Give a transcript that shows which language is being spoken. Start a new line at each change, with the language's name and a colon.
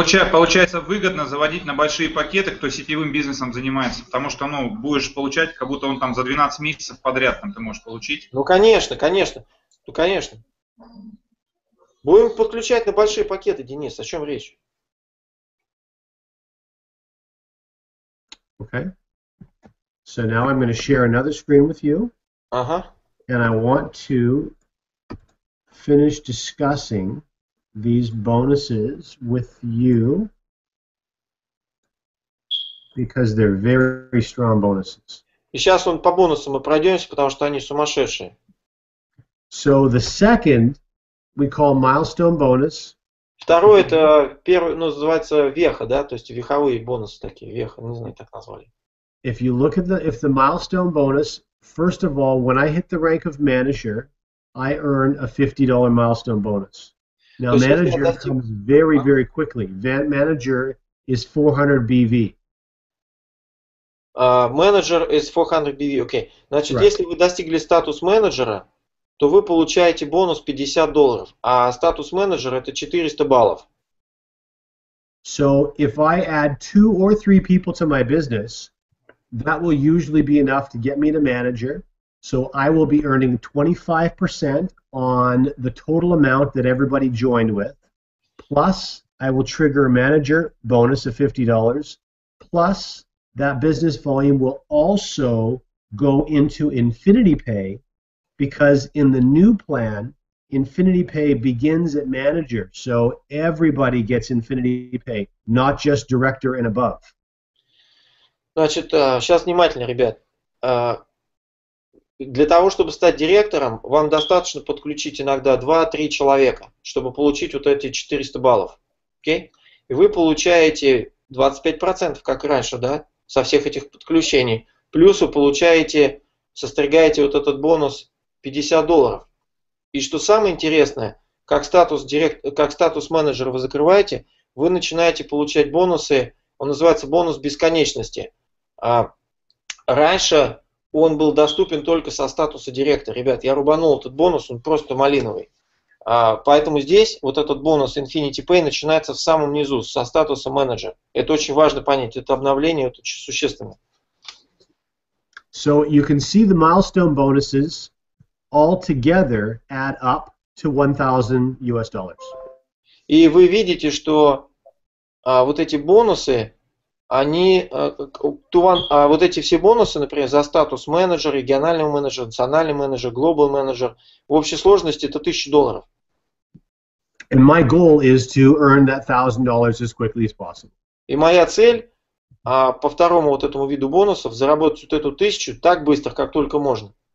Russian: Получается выгодно заводить на большие пакеты, кто сетевым бизнесом занимается, потому что, ну, будешь получать, как будто он там за 12 месяцев подряд там ты можешь получить. Ну, конечно, конечно, ну, конечно. Будем подключать на большие пакеты, Денис, о чем речь?
English: Okay, so now I'm going to share another screen with you, uh-huh. and I want to finish discussing these bonuses with you, because they're very strong bonuses.
Russian: И сейчас он по бонусам мы пройдемся, потому что они сумасшедшие.
English: So the second we call milestone bonus.
Russian: Второй это первый, ну, называется веха, да, то есть веховые бонусы такие, веха, не знаю, так назвали.
English: If you look at the milestone bonus, first of all, when I hit the rank of manager, I earn a $50 milestone bonus. Now, manager comes very, very quickly. Manager is 400 BV. Manager is 400 BV, okay. Значит, right.
Russian: Если вы достигли статус менеджера, то вы получаете бонус $50, а статус менеджера это 400 баллов.
English: So, if I add two or three people to my business, that will usually be enough to get me to manager, so I will be earning 25% on the total amount that everybody joined with, plus I will trigger a manager bonus of $50, plus that business volume will also go into InfinityPay, because in the new plan, InfinityPay begins at manager, so everybody gets InfinityPay, not just director and above.
Russian: Значит, сейчас внимательно, ребят. Для того, чтобы стать директором, вам достаточно подключить иногда 2-3 человека, чтобы получить вот эти 400 баллов.
English: Okay?
Russian: И вы получаете 25%, как раньше, да, со всех этих подключений. Плюс вы получаете, состригаете вот этот бонус $50. И что самое интересное, как статус директор, как статус менеджера вы закрываете, вы начинаете получать бонусы, он называется бонус бесконечности. А раньше он был доступен только со статуса директора. Ребят, я рубанул этот бонус, он просто малиновый. А поэтому здесь вот этот бонус Infinity Pay начинается в самом низу, со статуса менеджера. Это очень важно понять, это обновление, это очень существенно.
English: So you can see the milestone bonuses all together add up to $1,000.
Russian: И вы видите, что вот эти бонусы, они, вот эти все бонусы, например, за статус менеджера, регионального менеджера, национального менеджера, глобал менеджер, в общей сложности это $1,000.
English: And my goal is to earn that $1,000 as quickly as possible.
Russian: И моя цель, по второму вот этому виду бонусов, заработать вот эту тысячу так быстро, как только можно.